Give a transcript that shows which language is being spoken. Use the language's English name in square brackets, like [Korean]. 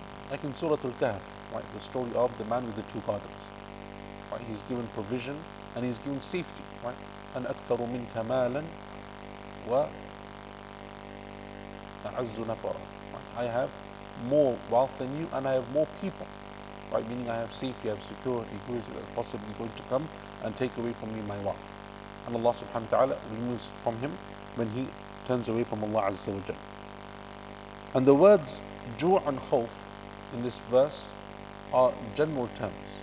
[English] Like in Surah Al-Kahf, right, the story of the man with the two gardens. Right, he's given provision and he's given safety. [Arabic] Right, أَنْ أَكْثَرُ مِنْكَ مَالًا وَأَعَزُّ نَفَرًا. [English] I have more wealth than you and I have more people. Right, meaning I have safety, I have security. Who is possibly going to come and take away from me my wealth? And Allah subhanahu wa ta'ala removes it from him when he turns away from Allah Azza wa Jal. And the words جُوع and خوف in this verse are general terms.